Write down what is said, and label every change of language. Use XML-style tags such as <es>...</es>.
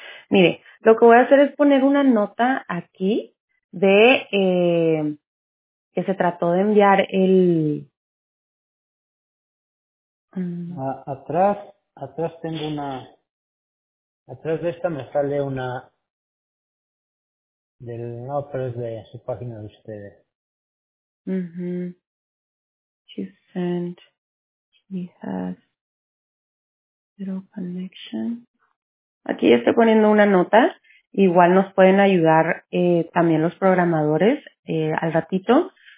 <es>Mire, lo que voy a hacer es poner una nota aquí de que se trató de enviar el... Atrás tengo una, atrás de esta me sale una del, no, pero es de su página de ustedes.</es> <en>She sent, she has zero connection.</en> <es>Aquí estoy poniendo una nota, igual nos pueden ayudar también los programadores al ratito.</es>